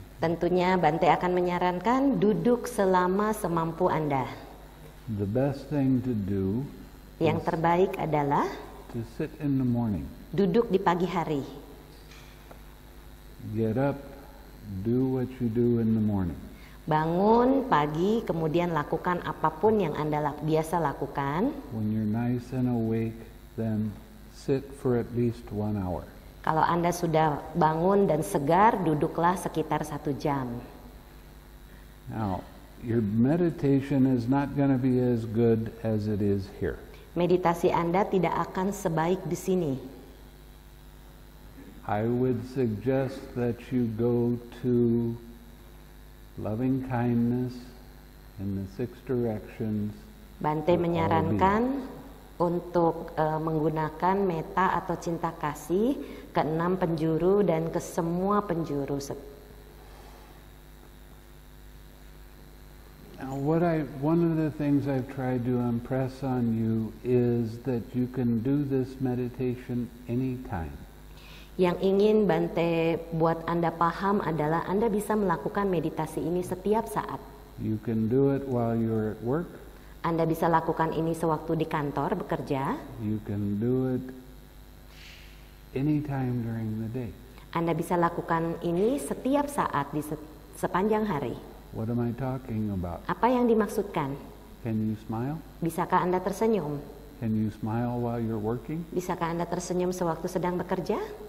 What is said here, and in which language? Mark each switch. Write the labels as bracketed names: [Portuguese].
[Indonesian] Tentunya Bante akan menyarankan duduk selama semampu Anda. [English] The best thing to do. [Indonesian] Yang terbaik adalah. [English] To sit in the morning. [Indonesian] Duduk di pagi hari. [English] Get up, do what you do in the morning. [Indonesian] Bangun pagi, kemudian lakukan apapun yang Anda biasa lakukan. [English] When you're nice and awake, then sit for at least one hour. [Indonesian] Kalau Anda sudah bangun dan segar, duduklah sekitar satu jam. [English] Now, your meditation is not going to be as good as it is here. [Indonesian] Meditasi Anda tidak akan sebaik di sini. [English] I would suggest that you go to loving kindness in the six directions. [Indonesian] Bante menyarankan untuk menggunakan metta atau cinta kasih ke enam penjuru dan ke semua penjuru. [English] Now, one of the things I've tried to impress on you is that you can do this meditation anytime. [Indonesian] Yang ingin Bante buat Anda paham adalah Anda bisa melakukan meditasi ini setiap saat. [English] You can do it while you're at work. [Indonesian] Anda bisa lakukan ini sewaktu di kantor bekerja. [English] You can do it anytime during the day. [Indonesian] Anda bisa lakukan ini setiap saat di sepanjang hari. [English] What am I talking about? [Indonesian] Apa yang dimaksudkan? [English] Can you smile? [Indonesian] Bisakah Anda tersenyum? [English] Can you smile while you're working? [Indonesian] Bisakah Anda tersenyum sewaktu sedang bekerja?